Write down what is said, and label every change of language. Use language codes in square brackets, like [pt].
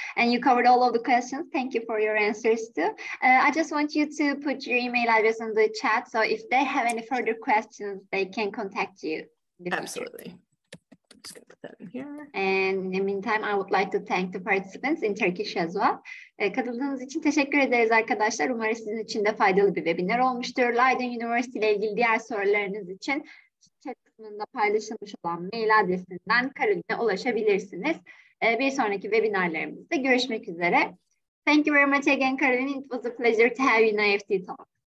[en] And you covered all of the questions. Thank you for your answers too. I just want you to put your email address in the chat. So if they have any further questions, they can contact you. Absolutely. Just gonna put that in here. And in the meantime, I would like to thank the participants in Turkish as well. [tr] Katıldığınız için teşekkür ederiz arkadaşlar. Umarım sizin için de faydalı bir webinar olmuştur. Leiden University ile ilgili diğer sorularınız için kısmında paylaşılmış olan mail adresinden Karoline'e ulaşabilirsiniz. Bir sonraki webinarlarımızda görüşmek üzere. [en] Thank you very much again, [tr] Karoline. [en] It was a pleasure to have you in IEFT Talk.